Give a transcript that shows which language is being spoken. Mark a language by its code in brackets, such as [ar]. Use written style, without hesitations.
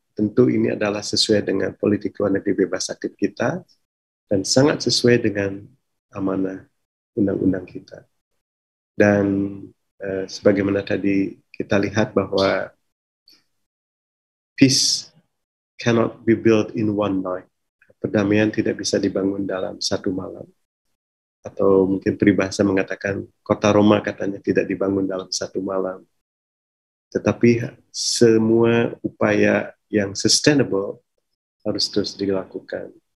[id] Tentu ini adalah sesuai dengan politik luar negeri bebas aktif kita dan sangat sesuai dengan amanah undang-undang kita. Dan sebagaimana tadi kita lihat bahwa peace [en] cannot be built in one night. [id] Perdamaian tidak bisa dibangun dalam satu malam. Atau mungkin peribahasa mengatakan kota Roma katanya tidak dibangun dalam satu malam. Tetapi semua upaya yang sustainable harus terus dilakukan.